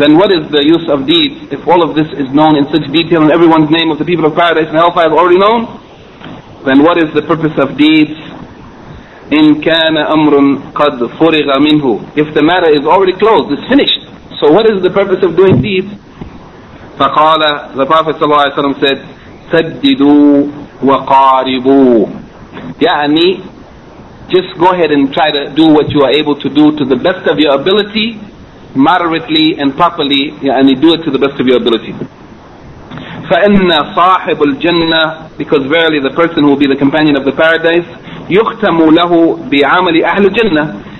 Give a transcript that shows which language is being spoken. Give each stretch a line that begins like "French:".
English: Then what is the use of deeds if all of this is known in such detail and everyone's name of the people of paradise and hellfire is already known? Then what is the purpose of deeds?
Arabic: إِنْ كَانَ أَمْرٌ قَدْ فُرِغَ مِنْهُ.
English: If the matter is already closed, it's finished, so what is the purpose of doing deeds?
Arabic: فَقَالَ.
English: The Prophet
Arabic: صلى الله عليه وسلم
English: said,
Arabic: سَدِّدُوا وَقَارِبُوا. يعني
English: just go ahead and try to do what you are able to do to the best of your ability, moderately and properly, and you do it to the best of your ability.
Arabic: فَإِنَّ صَاحِبُ الْجَنَّةِ.
English: Because verily the person who will be the companion of the paradise,
Arabic: يُخْتَمُ لَهُ بِعَمَلِ أَهْلِ الْجَنَّةِ.